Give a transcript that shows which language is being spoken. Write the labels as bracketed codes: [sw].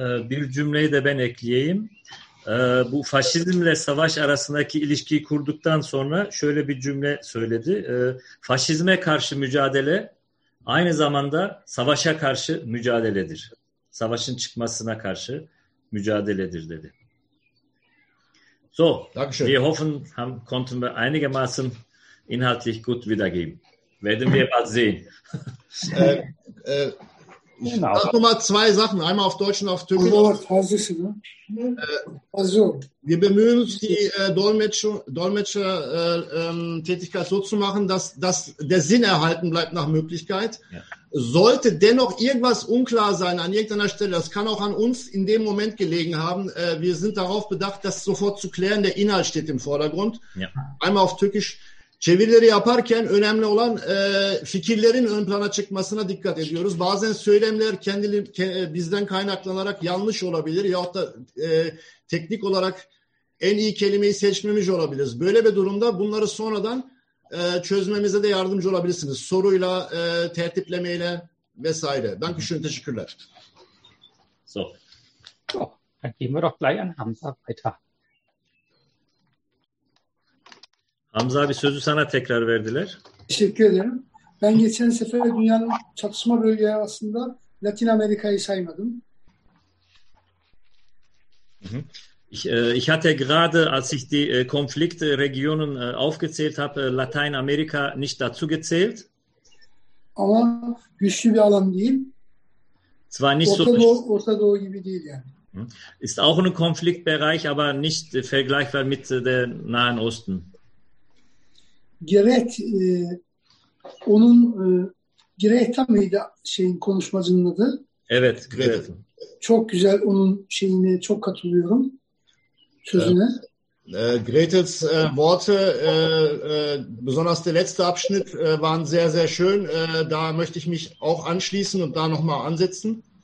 [tr] Bir cümleyi de ben ekleyeyim. Bu faşizmle savaş arasındaki ilişkiyi kurduktan sonra şöyle bir cümle söyledi. Faşizme karşı mücadele aynı zamanda savaşa karşı mücadeledir. Savaşın çıkmasına karşı mücadeledir dedi. [de] So, wir hoffen haben konnten wir einigermaßen inhaltlich gut wiedergeben. Werden wir bald sehen. Genau. Ich sage mal zwei Sachen, einmal auf Deutsch und auf Türkisch. Wir bemühen uns, die Dolmetscher-Tätigkeit so zu machen, dass der Sinn erhalten bleibt nach Möglichkeit. Ja. Sollte dennoch irgendwas unklar sein an irgendeiner Stelle, das kann auch an uns in dem Moment gelegen haben. Wir sind darauf bedacht, das sofort zu klären. Der Inhalt steht im Vordergrund. Ja. Einmal auf Türkisch. [tr] Çevirileri yaparken önemli olan fikirlerin ön plana çıkmasına dikkat ediyoruz. Bazen söylemler bizden kaynaklanarak yanlış olabilir yahut da teknik olarak en iyi kelimeyi seçmemiş olabiliriz. Böyle bir durumda bunları sonradan çözmemize de yardımcı olabilirsiniz. Soruyla, tertiplemeyle vesaire. Ben düşünün, teşekkürler. [de] So. So, dann gehen wir doch gleich an Hamza weiter. [tr] Hamza abi, sözü sana tekrar verdiler. Teşekkür ederim. Ben geçen sefer dünyanın çatışma bölgeye aslında Latin Amerika'yı saymadım. [de] Ich hatte gerade, als ich die Konfliktregionen aufgezählt habe, Latin Amerika nicht dazu gezählt. [tr] Ama güçlü bir alan değil. [de] Zwar nicht [tr] Orta Doğu gibi değil yani. [de] Ist auch ein Konfliktbereich, aber nicht vergleichbar mit der Nahen Osten. [tr] Gerek onun Greta mıydı şeyin konuşmacının adı? Evet, Greta. Çok güzel, onun şeyine çok katılıyorum, sözüne. [de] Greta's Worte besonders der letzte Abschnitt waren sehr sehr schön. Da möchte ich mich auch anschließen und da noch mal ansetzen.